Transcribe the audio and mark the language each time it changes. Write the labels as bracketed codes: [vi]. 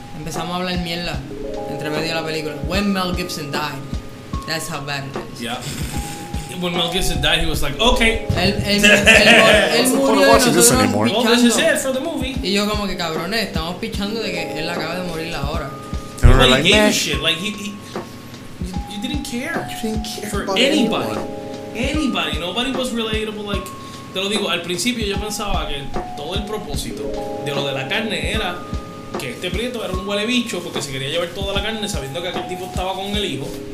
[es] Empezamos a hablar mierda entre medio de la película. [en] When Mel Gibson died. That's how bad it is. Yeah. When Mel Gibson died, he was like, okay. [es] El murió, no [en] watch this anymore. Well, this is it for the movie. [es] Y yo como que cabrones, estamos pichando de que él acaba de morir ahora. [en] And we're like, man. You didn't care. You didn't care for anybody. Anybody. Nobody was relatable. [es] Like, te lo digo, al principio yo pensaba que todo el propósito de lo de la carne era que este prieto era un huele bicho porque se quería llevar toda la carne sabiendo que aquel tipo estaba con el hijo.